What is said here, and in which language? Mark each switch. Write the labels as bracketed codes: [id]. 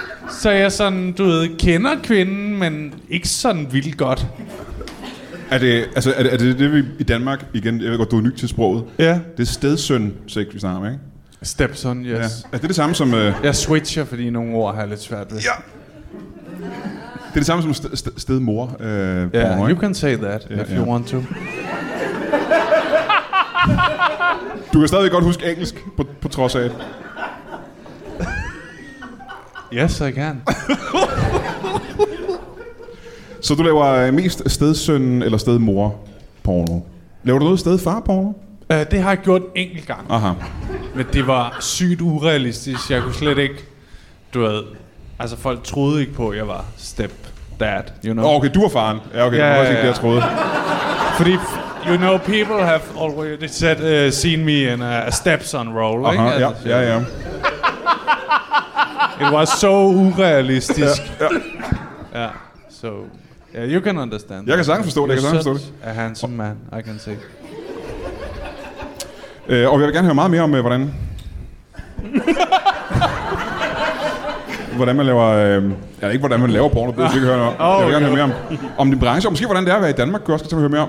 [da] Så jeg sådan, du ved, kender kvinden, men ikke sådan vildt godt. Er det vi i Danmark igen? Jeg ved godt, du er ny til sproget. Ja. Det er stedsøn, så ikke vi snakker med, ikke? [en] Stepson, yes. Ja. [da] Er det det samme som... Jeg switcher, fordi nogle ord har lidt svært ved. Ja. Det er det samme som stedmor. [en] Ja, yeah, you can say that, yeah, if you want to. [da] Du kan stadig godt huske engelsk, på trods af det. [en] Yes, I can. [da] Så du laver mest stedsøn eller stedmor-porno? Laver du noget stedfar-porno? Det har jeg gjort en enkelt gang. Aha. Men det var sygt urealistisk. Jeg kunne slet ikke... Du ved... Altså, folk troede ikke på, at jeg var stepdad, [en] you know? [da] Okay, du var faren. Ja, okay. Ja, det var også ikke det, jeg troede. Fordi, [en] you know, people have already said, seen me in a stepson role, uh-huh, [da] ikke? Ja, altså, ja, ja. [en] It was so urealistisk. [da] Ja, ja. [en] So... Yeah, you can understand. [da] Jeg kan sagtens forstå det. [en] A handsome man, I can say. [da] Og jeg vil gerne høre meget mere om, hvordan... hvordan man laver... ja, ikke hvordan man laver porno, det vil jeg høre noget. Jeg vil gerne høre mere om din branche, og måske hvordan det er at være i Danmark, kan jeg også godt høre mere om.